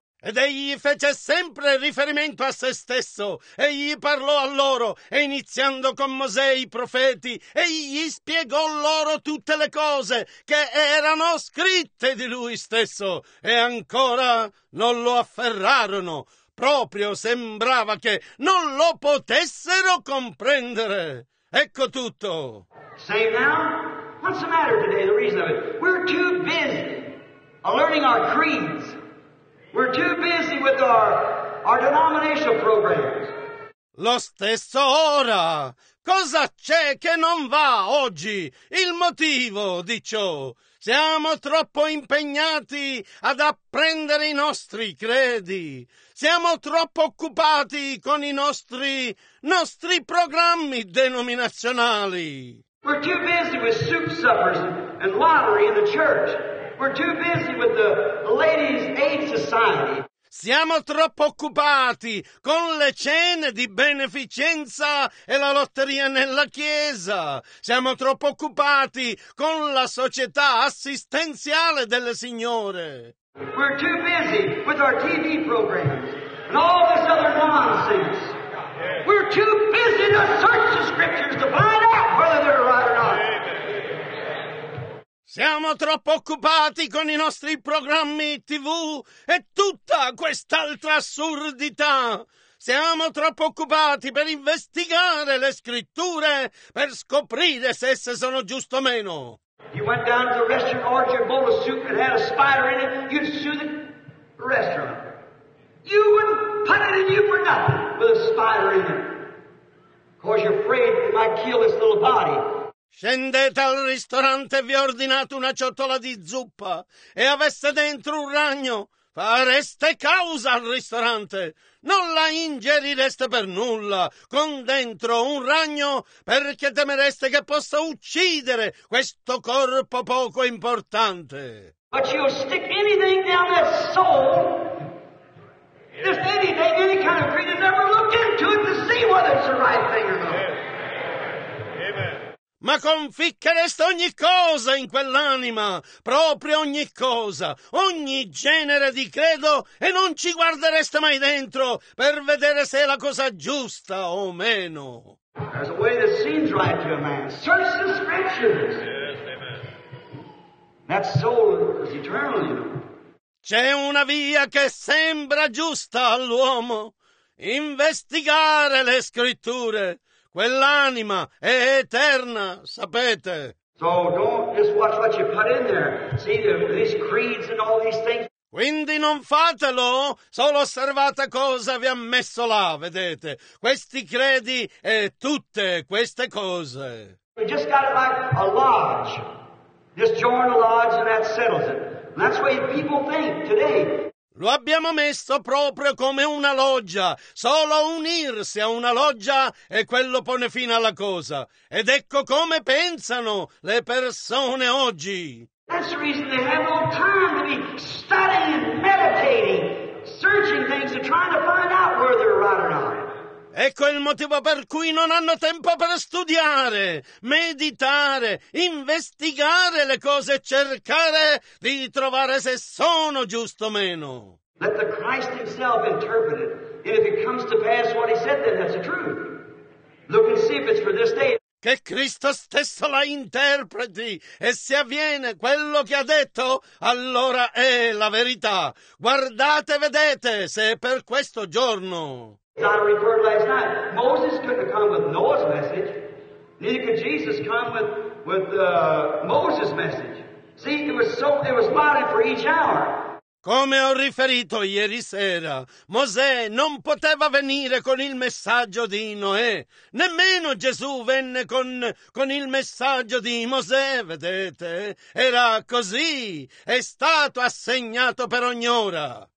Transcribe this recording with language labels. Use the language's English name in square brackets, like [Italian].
[Italian] Ed egli fece sempre riferimento a se stesso. Egli parlò a loro, e iniziando con Mosè e i profeti, egli spiegò loro tutte le cose che erano scritte di lui stesso. E ancora non lo afferrarono. Proprio sembrava che non lo potessero comprendere. Ecco tutto. [English] Say now, what's the matter today, the reason of it? We're too busy learning our creeds. We're too busy with our denominational programs. [Italian] Lo stesso ora. Cosa c'è che non va oggi? Il motivo di ciò. Siamo troppo impegnati ad apprendere i nostri credi. Siamo troppo occupati con i nostri programmi denominazionali. [English] We're too busy with soup suppers and lottery in the church. We're too busy with the Ladies Aid Society. [Italian] Siamo troppo occupati con le cene di beneficenza e la lotteria nella chiesa. Siamo troppo occupati con la società assistenziale delle signore. [English] We're too busy with our TV programs and all this other nonsense. We're too busy to search the scriptures to find out whether they're right or not. [Italian] Siamo troppo occupati con i nostri programmi TV e tutta quest'altra assurdità. Siamo troppo occupati per investigare le scritture, per scoprire se esse sono giuste o meno. [English] You went down to the restaurant, ordered a bowl of soup and had a spider in it, you'd sue the restaurant. You wouldn't put it in you for nothing with a spider in it. Because you're afraid it might kill this little body. [Italian] Scendete al ristorante e vi ordinate una ciotola di zuppa e aveste dentro un ragno, fareste causa al ristorante. Non la ingerireste per nulla con dentro un ragno perché temereste che possa uccidere questo corpo poco importante. [English] But you'll stick anything down that soul, just anything, any kind of creed, and never look into it to see whether it's the right thing or not. Amen. [Italian] ma conficcheresti ogni cosa in quell'anima, proprio ogni cosa, ogni genere di credo, e non ci guardereste mai dentro per vedere se è la cosa giusta o meno. [English] There's a way that seems right to a man. Search the scriptures. That soul is eternal, you know. [Italian] C'è una via che sembra giusta all'uomo. Investigare le scritture. Quell'anima è eterna, sapete. [English] So don't just watch what you put in there. See, these creeds and all these things. [Italian] Quindi non fatelo, solo osservate cosa vi ha messo là, vedete. Questi credi e tutte queste cose. [English] We just got it like a lodge. Just join a lodge and that settles it. And that's what people think today. [Italian] Lo abbiamo messo proprio come una loggia. Solo unirsi a una loggia e quello pone fine alla cosa. Ed ecco come pensano le persone oggi. [English] That's the reason they have no time to be studying and meditating, searching things and trying to find out where they're right or not. [Italian] Ecco il motivo per cui non hanno tempo per studiare, meditare, investigare le cose e cercare di trovare se sono giusto o meno. [English] Let the Christ himself interpret it. And if it comes to pass what he said, then that's the truth. Look and see if it's for this day. [Italian] Che Cristo stesso la interpreti, e se avviene quello che ha detto, allora è la verità. Guardate e vedete se è per questo giorno. [English] As I referred last night, Moses couldn't have come with Noah's message, neither could Jesus come with Moses' message. See, it was modded for each hour. [Italian] Come ho riferito ieri sera, Mosè non poteva venire con il messaggio di Noè, nemmeno Gesù venne con il messaggio di Mosè, vedete? Era così, è stato assegnato per ogni ora.